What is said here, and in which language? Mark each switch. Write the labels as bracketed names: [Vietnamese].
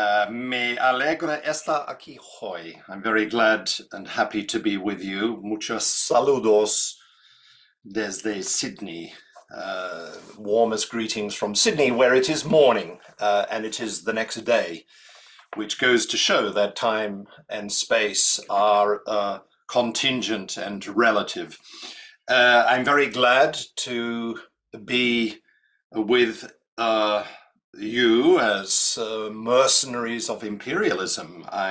[Spanish] Me alegra estar aquí hoy. [English] I'm very glad and happy to be with you. [Spanish] Muchos saludos desde Sydney. [English] Warmest greetings from Sydney, where it is morning and it is the next day, which goes to show that time and space are contingent and relative. I'm very glad to be with you as mercenaries of imperialism.